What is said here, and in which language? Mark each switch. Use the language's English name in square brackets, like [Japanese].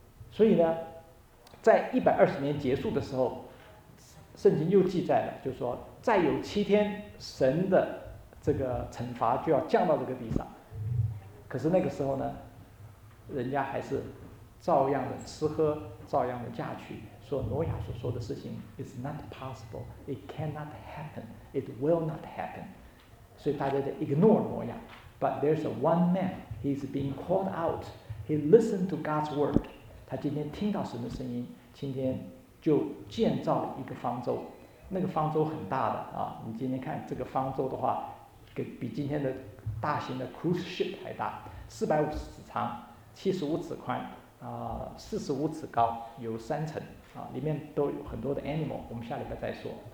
[Chinese] 所以呢，在120年结束的时候，圣经又记载了，就是说再有7天神的这个惩罚就要降到这个地上。可是那个时候呢，人家还是照样的吃喝，照样的嫁娶，说挪亚所说的事情 [English] is not possible, it cannot happen, it will not happen。 [Chinese] 所以大家在 ignore 挪亚。 [English] But there's a one man, he's being called out, he listened to God's word。 [Chinese] 他今天听到神的声音，今天就建造了一个方舟。那个方舟很大的啊，你今天看这个方舟的话，比今天的大型的 cruise ship 还大，450尺长，75尺宽，45尺高，有3层啊，里面都有很多的 animal， 我们下礼拜再说。